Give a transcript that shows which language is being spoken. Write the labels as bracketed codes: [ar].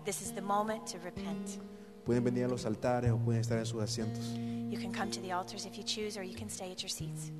[en] This is the moment to repent. [es] Pueden venir a los altares o pueden estar en sus asientos. [en] You can come to the altars if you choose, or you can stay at your seats.